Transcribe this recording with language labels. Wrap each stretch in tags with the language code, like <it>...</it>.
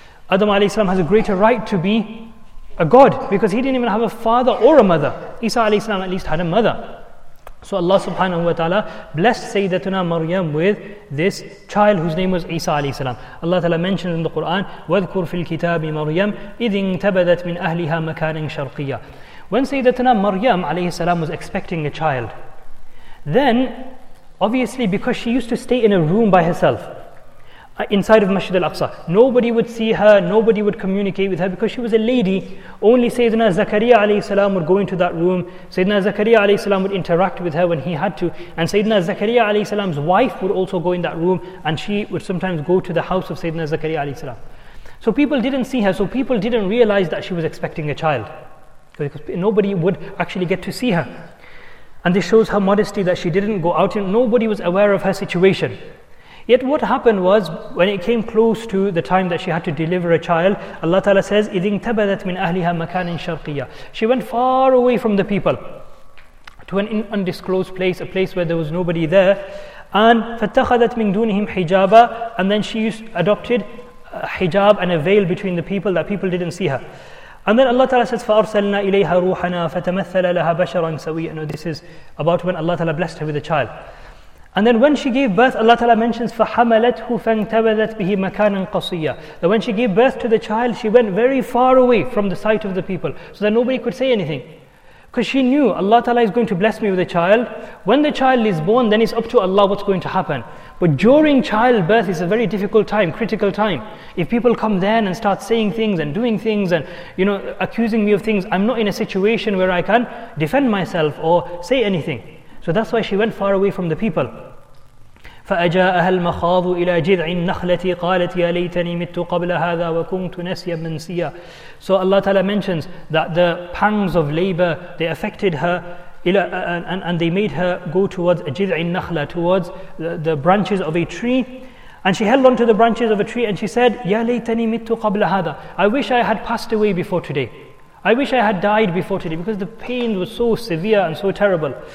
<en>Adam alayhi salam has a greater right to be a god because he didn't even have a father or a mother. Isa alayhi salam at least had a mother. So Allah subhanahu wa ta'ala blessed Sayyidatuna Maryam with this child whose name was Isa alayhi salam. Allah Ta'ala mentions in the Quran,</en> <ar>وَذْكُرْ فِي الْكِتَابِ مَرْيَمْ إِذْ انْتَبَذَتْ مِنْ أَهْلِهَا مَكَانٍ شَرْقِيًّا.</ar> <en>When Sayyidatuna Maryam alayhi salam was expecting a child, then obviously because she used to stay in a room by herself, inside of Masjid al-Aqsa, nobody would see her, nobody would communicate with her because she was a lady. Only Sayyidina Zakariya alayhi salam would go into that room. Sayyidina Zakariya alayhi salam would interact with her when he had to. And Sayyidina Zakariya alayhi salam's wife would also go in that room, and she would sometimes go to the house of Sayyidina Zakariya alayhi salam. So people didn't see her, so people didn't realize that she was expecting a child because nobody would actually get to see her. And this shows her modesty that she didn't go out, and nobody was aware of her situation. Yet what happened was, when it came close to the time that she had to deliver a child, Allah Ta'ala says,</en> <ar>إِذْ انْتَبَذَتْ مِنْ أَهْلِهَا مَكَانٍ شَرْقِيًّا.</ar> <en>She went far away from the people, to an undisclosed place, a place where there was nobody there.</en> <ar>And فَاتَّخَذَتْ مِنْ دُونِهِمْ حِجَابًا.</ar> <en>And then she adopted a hijab and a veil between the people, that people didn't see her. And then Allah Ta'ala says,</en> <ar>فَأَرْسَلْنَا إِلَيْهَا رُوحَنَا فَتَمَثَّلَ لَهَا بَشَرًا سَوِيًّا.</ar> <en>This is about when Allah Ta'ala blessed her with a child. And then when she gave birth, Allah Ta'ala mentions,</en> <ar>فَحَمَلَتْهُ فَانْتَبَذَتْ بِهِ مَكَانًا قَصِيًّا.</ar> <en>That when she gave birth to the child, she went very far away from the sight of the people, so that nobody could say anything. Because she knew, Allah Ta'ala is going to bless me with a child. When the child is born, then it's up to Allah what's going to happen. But during childbirth, it's a very difficult time, critical time. If people come then and start saying things and doing things and, you know, accusing me of things, I'm not in a situation where I can defend myself or say anything. So that's why she went far away from the people.</en> <ar>فأجاءها المخاض إلى جذع النخلة قالت يا ليتني مت قبل هذا وكنت نسيا منسيا.</ar> <en>So Allah Ta'ala mentions that the pangs of labor, they affected her, and they made her go towards</en> <ar>جذع النخلة,</ar> <en>towards the branches of a tree. And she held on to the branches of a tree and she said,</en> <ar>Ya laytani mittu qabla hadha.</ar> <en>I wish I had passed away before today. I wish I had died before today, because the pain was so severe and so terrible.</en>